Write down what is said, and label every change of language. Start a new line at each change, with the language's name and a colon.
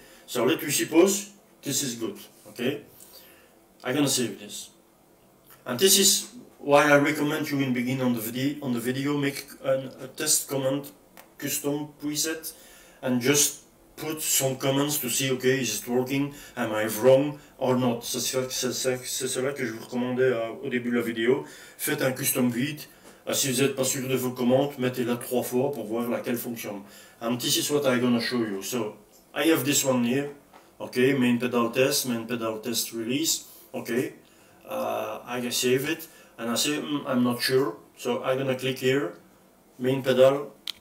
English: So let me suppose this is good. Ok. I'm gonna save this. And this is Why I recommend you in begin on the video, make a test comment, custom preset, and just put some comments to see, okay, is it working, am I wrong or not.
French: C'est cela que je vous recommandais au début de la vidéo. Faites un custom vite. Si vous n'êtes pas sûr de vos commentes, mettez-la trois fois pour voir laquelle fonctionne.
English: And this is what I'm gonna show you. So, I have this one here. Okay, main pedal test release. Okay, I can save it. And I say, I'm not sure. So, I'm gonna click here. Main pedal.